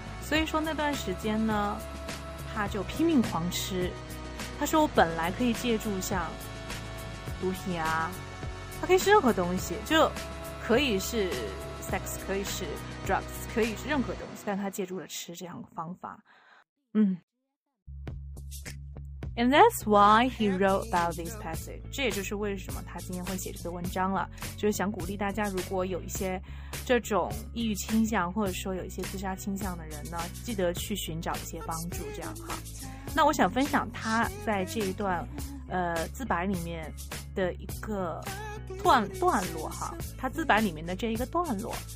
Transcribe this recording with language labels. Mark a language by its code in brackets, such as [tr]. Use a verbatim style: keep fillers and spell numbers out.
[zh] 所以说那段时间呢，他就拼命狂吃。他说我本来可以借助像毒品啊，他可以是任何东西，就可以是 sex， 可以是 drugs， 可以是任何东西，但他借助了吃这样的方法。嗯。 [en] And that's why he wrote about this passage. [zh] 这也就是为什么他今天会写这个文章了，就是想鼓励大家，如果有一些这种抑郁倾向，或者说有一些自杀倾向的人呢，记得去寻找一些帮助，这样哈。那我想分享他在这一段呃自白里面的一个段段落哈，他自白里面的这一个段落。